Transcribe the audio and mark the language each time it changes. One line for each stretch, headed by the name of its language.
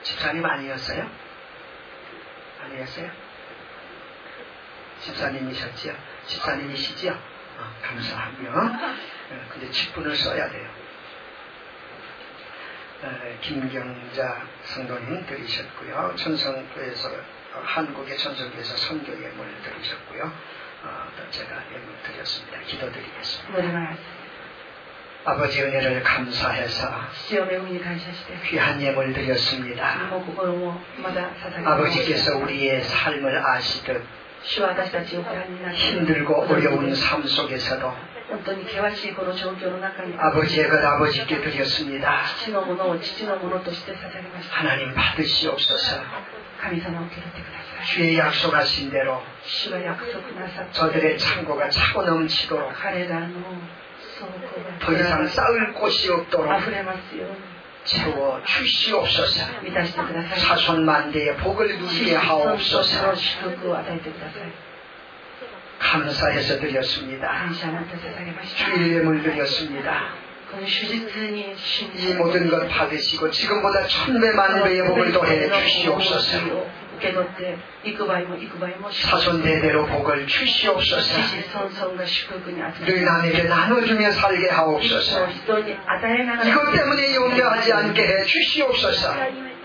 Korean: 성노님들으셨고요집사님아니었어요아니었어요집사님이셨지요집사님이시지요감사합니다근데직분을써야돼요김경자성도님들으셨고요천성교에서한국의천성교에서선교예물들으셨고요또제가예물드렸습니다기도드리겠습니다아버지은혜를감사해서귀한예물드렸습니다아버지께서우리의삶을아시듯힘들고어려운삶속에서도
Japanese: 本当に険しいこの状況の中に
Korean: 아버지의것아버지께드렸습니다
Japanese: 父のものを父のものとして捧げました
Korean: 하나님받으시옵소서
Japanese: 神様を受け取ってください
Korean: 주의약속하신대로
Japanese: 主が約束なさって
Korean: 저들의창고가차고넘치도록
Japanese: 彼らの倉庫が
Korean: 더이상쌓을곳이없도록
Japanese: あふれますよ
Korean: 채워주시옵소서
Japanese: 満たしてください
Korean: 사손만대의복을누리게하옵소서 주의축복을
Japanese: 与えてください
Korean: 감사해서드렸습니다주일예물드렸습니다이모든것받으시고지금보다천배만배의복을더해주시옵소서사손대대로복을주시옵소서늘남에게나눠주며살게하옵소서이것때문에용려하지않게해주시옵소서